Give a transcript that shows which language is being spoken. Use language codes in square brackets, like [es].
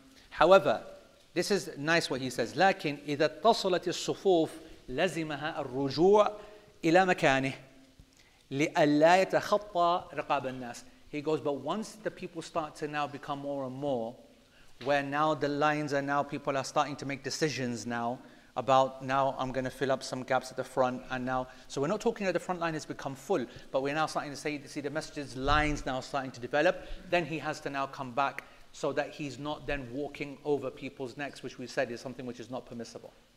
[en] However, this is nice what he says. [ar] لَكِنْ إِذَا اتَّصَلَتِ الصُّفُوفِ لزمها الرجوع إلى مكانه لألا يتخطى رقاب الناس. [en] He goes, but once the people start to now become more and more, where now the lines are, now people are starting to make decisions now about, now I'm going to fill up some gaps at the front, and now, so we're not talking that the front line has become full, but we're now starting to say, see the messages, lines now starting to develop, then he has to now come back so that he's not then walking over people's necks, which we said is something which is not permissible.